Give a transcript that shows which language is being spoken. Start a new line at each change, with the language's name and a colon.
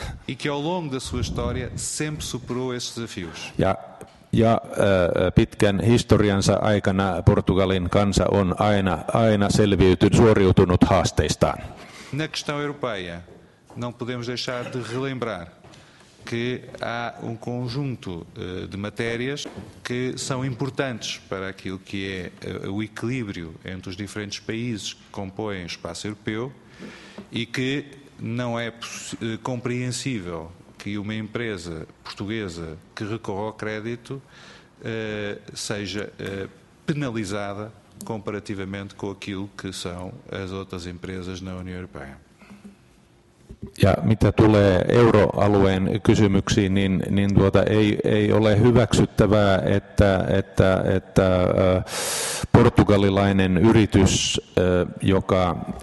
Portuguese: E que ao longo da sua história sempre superou esses desafios.
Finnish: Ja pitkän historiansa aikana Portugalin kansa on aina suoriutunut haasteistaan.
Portuguese: Na questão europeia, não podemos deixar de relembrar que há conjunto de matérias que são importantes para aquilo que é o equilíbrio entre os diferentes países que compõem o espaço europeu e que não é compreensível que uma empresa portuguesa que recorre ao crédito seja penalizada comparativamente com aquilo que são as outras empresas na União Europeia.
Finnish: Ja mitä tulee euroalueen kysymyksiin, niin ei ole hyväksyttävää, että portugalilainen yritys, joka